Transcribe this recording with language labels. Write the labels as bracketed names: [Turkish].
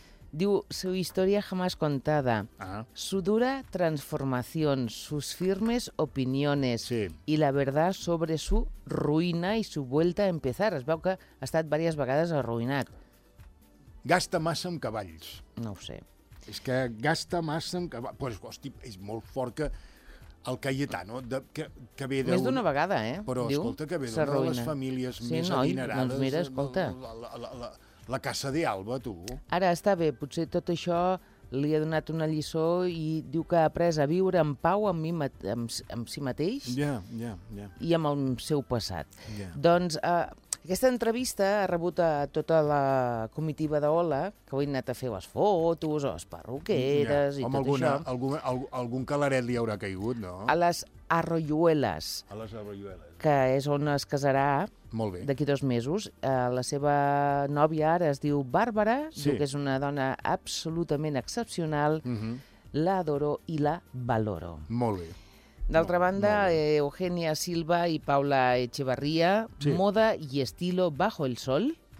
[Spanish] Diu, su historia jamás contada, su dura transformación, sus firmes opiniones y la verdad sobre su ruina y su vuelta a empezar. [Catalan] Es veu que ha estat diverses vegades arruïnat. Gasta massa en cavalls. No ho sé. És que gasta massa en cavalls. Pues, hosti, és molt fort que el Cayetano, que ve d'una... Més d'una vegada, eh? Però, diu, escolta, que ve d'una de les famílies més adinerades. Doncs mira, escolta... La Casa d'Alba, tu. Ara, està bé, potser tot això li ha donat una lliçó i diu que ha après a viure en pau amb, mi, amb si mateix i amb el seu passat. [English] Yeah. [Catalan] Doncs aquesta entrevista ha rebut a tota la comitiva d'Ola, que ho ha anat a fer les fotos, les perruqueres i home, tot alguna, això. Algun calaret li haurà caigut, no? A les Arroyuelas. A les Arroyuelas. Que és on es casarà. Molt bé. D'aquí dos mesos. La seva nòvia ara es diu Bàrbara, diu que és una dona absolutament excepcional. [Spanish] La adoro i la valoro. [Catalan] Molt bé. D'altra banda, Eugenia Silva i Paula Echevarría, [Spanish] Moda y estilo bajo el sol.